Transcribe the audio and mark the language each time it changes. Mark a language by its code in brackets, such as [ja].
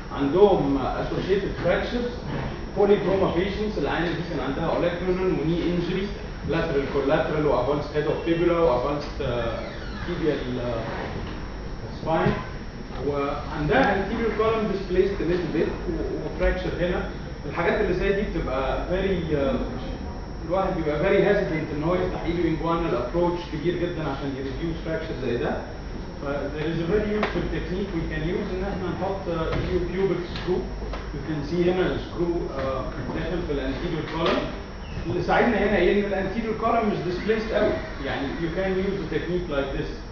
[en] And though associated fractures. Polytrauma patients, [ar] العين دي كان عندها [en] olecranon و knee injury, lateral collateral و advanced head of fibula و advanced tibial spine. [ar] وعندها [en] anterior column displaced a little bit و fracture هنا. [ar] الحاجات اللي زي دي بتبقى very الواحد بيبقى [en] very hesitant [ar] ان هو يفتح ايده [en] inguinal approach [ar] كبير جدا عشان ي [en] reduce fracture [ar] زي ده. [en] There is a very useful technique we can use [ar] ان احنا نحط [en] lliopubic screw. You can see [ar] هنا السكرو داخل في الانتيريور كولم. اللي ساعدنا هنا ايه؟ ان الانتيريور كولم مش displaced قوي. يعني [en] you can use a technique like this.